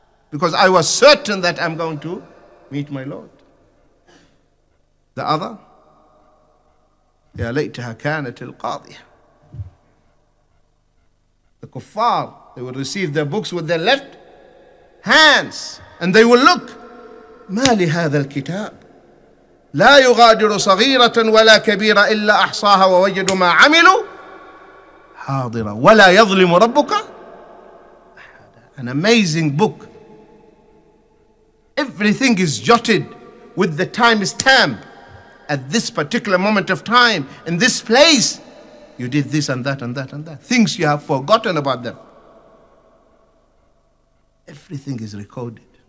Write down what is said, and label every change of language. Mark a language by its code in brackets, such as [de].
[en] Because I was certain that I'm going to meet my Lord. The other, [ar] ya laytaha kanat al-qadiyah. [en] The kuffar, they will receive their books with their left hands, and they will look. [ar] ما لهذا الكتاب لا يغادر صغيرة ولا كبيرة إلا أحصاها ووجدوا ما عملوا حاضرة ولا يظلم ربك. [en] An amazing book. Everything is jotted with the time stamp. At this particular moment of time, in this place, you did this and that and that and that. Things you have forgotten about them. Everything is recorded.